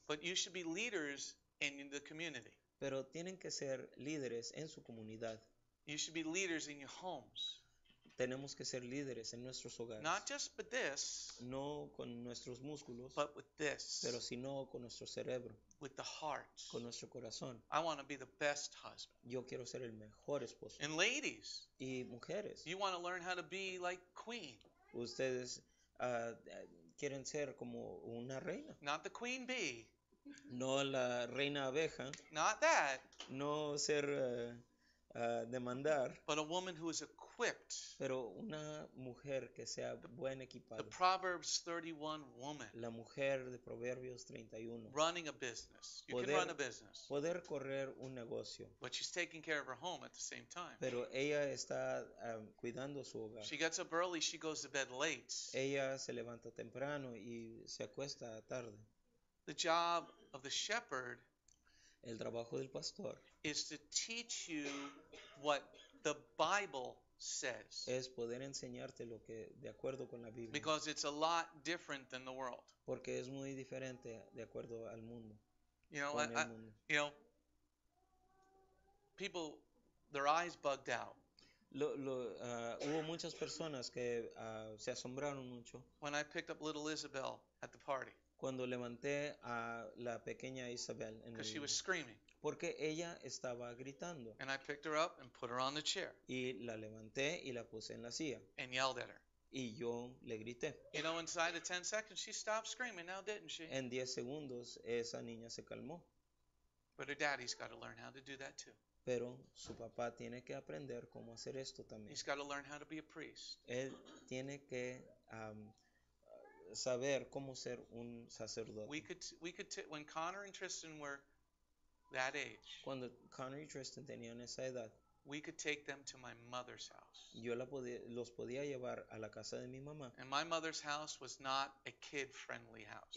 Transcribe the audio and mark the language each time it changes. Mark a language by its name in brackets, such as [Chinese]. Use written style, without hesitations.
[English] But you should be leaders in the community. [Spanish] Pero tienen que ser líderes en su comunidad. [English] You should be leaders in your homes. [Spanish] Tenemos que ser líderes en nuestros hogares. [English] Not just with this. [Spanish] No con nuestros músculos. [English] But with this. [Spanish] Pero sino con nuestro cerebro. [English] With the heart. [Spanish] Con nuestro corazón. [English] I want to be the best husband. [Spanish] Yo quiero ser el mejor esposo. [English] And ladies. [Spanish] Y mujeres. [English] You want to learn how to be like queen. [Spanish] Ustedes quieren ser como una reina. [English] Not the queen bee. [Spanish] No la reina abeja. [English] Not that. [Spanish] No ser demandar. [English] But a woman who is equipped. [Spanish] Pero una mujer que sea buena equipada. [English] The Proverbs 31 woman. [Spanish] La mujer de Proverbios 31. [English] Running a business. You [Spanish] poder, [English] can run a business. [Spanish] Poder correr un negocio. [English] But she's taking care of her home at the same time. [Spanish] Pero ella está cuidando su hogar. [English] She gets up early, she goes to bed late. [Spanish] Ella se levanta temprano y se acuesta tarde. [English] The job of the shepherd. [Spanish] El trabajo del pastor [English] is to teach you what the Bible says. [Spanish] Es poder enseñarte lo que de acuerdo con la Biblia. [English] Because it's a lot different than the world. [Spanish] Porque es muy diferente de acuerdo al mundo. [English] You know, people, their eyes bugged out. [Spanish] Hubo muchas personas que se asombraron mucho. [English] When I picked up little Isabel at the party. [Spanish] Cuando levanté a la pequeña Isabel en [English] el, she was screaming. [Spanish] Porque ella estaba gritando. [English] And I picked her up and put her on the chair. [Spanish] Y la levanté y la puse en la silla. [English] And yelled at her. [Spanish] Y yo le grité. [English] You know, inside of 10 seconds she stopped screaming now, didn't she? [Spanish] En 10 segundos esa niña se calmó. [English] But her daddy's got to learn how to do that too. [Spanish] Pero su papá tiene que aprender cómo hacer esto también. [English] He's got to learn how to be a priest. [Spanish] Él tiene que saber cómo ser un sacerdote. [English] When Connor and Tristan were that age, [Spanish] cuando Connor y Tristan tenían esa edad, [English] we could take them to my mother's house. [Spanish] Yo los podía llevar a la casa de mi mamá. [English] And my mother's house was not a kid-friendly house.